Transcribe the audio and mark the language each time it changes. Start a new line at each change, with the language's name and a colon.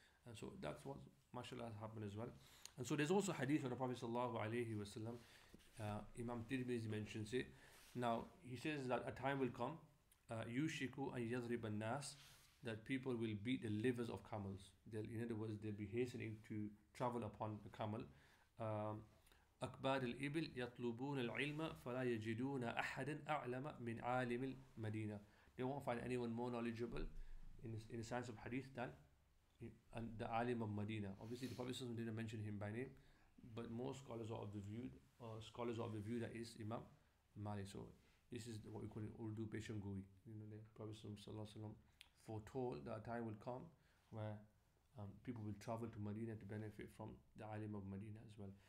English: And so that's what mashallah has happened as well. And so there's also hadith of the Prophet sallallahu alayhi wa sallam. Imam Tirmidhi mentions it. Now he says that a time will come, Yushiku an yadrib an-nas, that people will beat the livers of camels. They'll, in other words, they'll be hastening to travel upon a camel.
Arabic: أكبار الإبل يطلبون العلم فلا يجدون أحدا أعلم من عالم المدينة.
English: They won't find anyone more knowledgeable in the science of Hadith than the Alim of Medina. Obviously, the Prophet didn't mention him by name, but most scholars are of the view, that is Imam Malik. So this is what we call in Urdu Peshan Gui. You know, the Prophet foretold that a time will come where people will travel to Medina to benefit from the Alim of Medina as well.